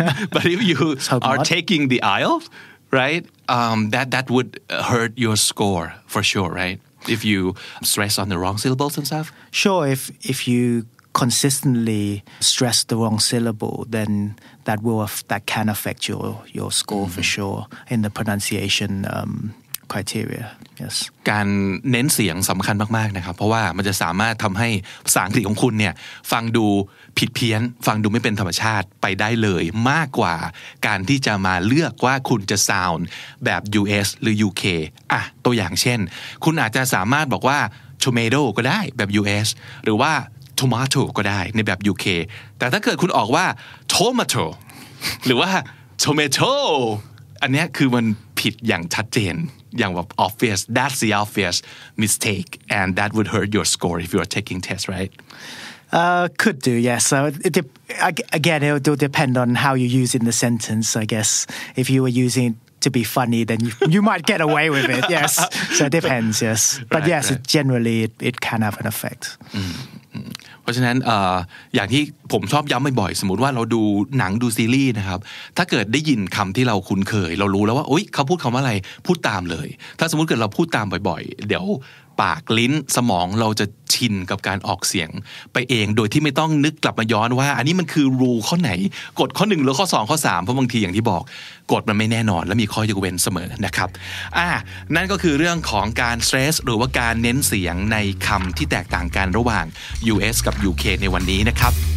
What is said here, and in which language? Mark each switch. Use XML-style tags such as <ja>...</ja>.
<en>But if you are taking the IELTS, right, that would hurt your score for sure, right? If you stress on the wrong syllables and stuff. Sure. If you consistently stress the wrong syllable, then that can affect your score mm-hmm. for sure in the pronunciation. Criteria. Yes.</en> <th>การเน้นเสียงสำคัญมากๆนะครับเพราะว่ามันจะสามารถทำให้ภาษาอังกฤษของคุณเนี่ยฟังดู ผิดเพี้ยนฟังดูไม่เป็นธรรมชาติไปได้เลยมากกว่าการที่จะมาเลือกว่าคุณจะซาวด์แบบ US หรือ UK อ่ะตัวอย่างเช่นคุณอาจจะสามารถบอกว่า tomato ก็ได้แบบ US หรือว่า tomato ก็ได้ในแบบ UK แต่ถ้าเกิดคุณออกว่า tomato หรือว่า tomato อันนี้คือมันผิดอย่างชัดเจนอย่างแบบ</th> <en>obvious that's the obvious mistake and that would hurt your score if you are taking test right could do yes so again it will depend on how you use in the sentence I guess if you were using it to be funny then you might get away with it yes so it depends yes but right, yes right. generally it can have an effect</en> <th>เพราะฉะนั้นอย่างที่ผมชอบย้ำบ่อยๆสมมติว่าเราดูหนังดูซีรีส์นะครับถ้าเกิดได้ยินคำที่เราคุ้นเคยเรารู้แล้วว่าโอ๊ยเขาพูดคำว่าอะไรพูดตามเลยถ้าสมมติเกิดเราพูดตามบ่อยๆเดี๋ยว ปากลิ้นสมองเราจะชินกับการออกเสียงไปเองโดยที่ไม่ต้องนึกกลับมาย้อนว่าอันนี้มันคือรูข้อไหนกดข้อ1หรือข้อ2ข้อ3เพราะบางทีอย่างที่บอกกดมันไม่แน่นอนและมีข้อยกเว้นเสมอนะครับนั่นก็คือเรื่องของการสเตรสหรือว่าการเน้นเสียงในคำที่แตกต่างกันระหว่าง US กับ UK ในวันนี้นะครับ</th>